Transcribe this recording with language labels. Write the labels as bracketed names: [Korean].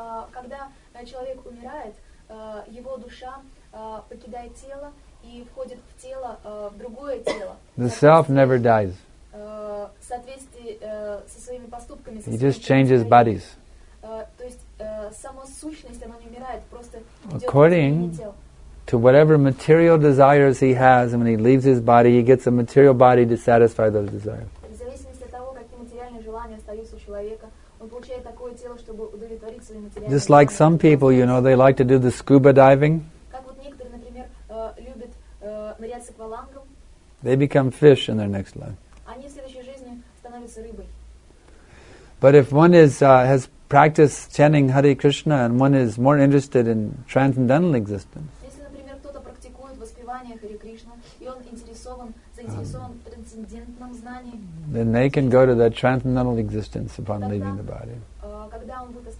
[Russian] Когда человек умирает, его душа покидает тело и входит в тело в другое тело. [English] The self never dies. [Russian] Со своими поступками, [English] he just changes bodies. [Russian] То есть сама сущность, она не умирает, просто [English] according to whatever material desires he has, and when he leaves his body, he gets a material body to satisfy those desires. [Russian] В зависимости от того, какие материальные желания остаются у человека, он получает такое тело, чтобы удовлетворить свои материальные желания. [English] Just like some people, you know, they like to do the scuba diving. [Russian] Как вот некоторые, например, любят нырять с аквалангом. [English] They become fish in their next life. [Russian] Они в следующей жизни становятся рыбой. [English] But if one has practiced chanting Hare Krishna, and one is more interested in transcendental existence, then they can go to that transcendental existence upon leaving the body.